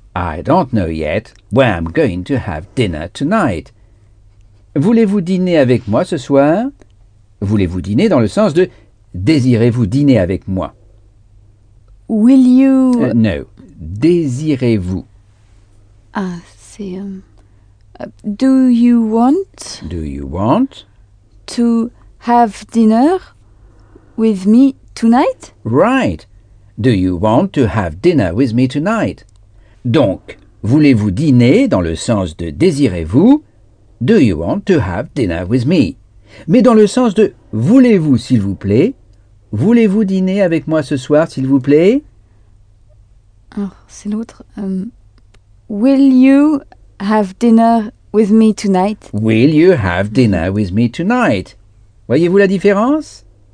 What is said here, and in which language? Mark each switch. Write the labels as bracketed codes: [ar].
[en] I don't know yet where I'm going to have dinner tonight. [fr] Voulez-vous dîner avec moi ce soir? Voulez-vous dîner dans le sens de désirez-vous dîner avec moi? [en] Will you... [fr] No. Désirez-vous. Ah, c'est... [en] Do you want... Do you want... To have dinner with me tonight? Right. Do you want to have dinner with me tonight? [fr] Donc, voulez-vous dîner dans le sens de désirez-vous? [en] Do you want to have dinner with me? [fr] Mais dans le sens de voulez-vous, s'il vous plaît? Voulez-vous dîner avec moi ce soir, s'il vous plaît? Alors, c'est l'autre. [en] Will you have dinner with me tonight? Will you have dinner with me tonight? [fr] Voyez-vous la différence?